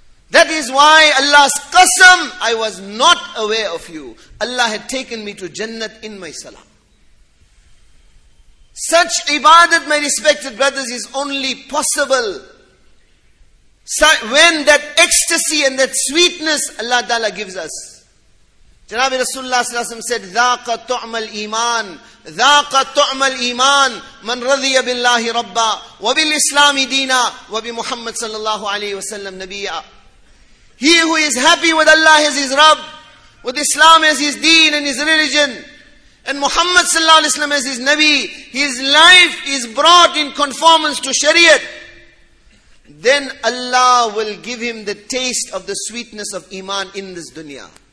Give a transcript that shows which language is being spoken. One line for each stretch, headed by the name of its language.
English: That is why Allah's qasam, I was not aware of you. Allah had taken me to Jannat in my salah. Such ibadat, my respected brothers, is only possible when that ecstasy and that sweetness Allah Ta'ala gives us. Janabi Rasulullah Sallallahu Alaihi Wasallam said,
Arabic: ذَاقَ تُعْمَ الْإِيمَانِ ذَاقَ تُعْمَ الْإِيمَانِ مَنْ رَضِيَ بِاللَّهِ رَبَّا وَبِالْإِسْلَامِ دِينَا وَبِمُحَمَّدْ صَلَّى اللَّهُ عَلَيْهِ وَسَلَّمْ نَبِيًّا.
English: He who is happy with Allah as his Rabb, with Islam as his deen and his religion, and Muhammad Sallallahu Alaihi Wasallam as his Nabi, his life is brought in conformance to Shariat. Then Allah will give him the taste of the sweetness of Iman in this dunya.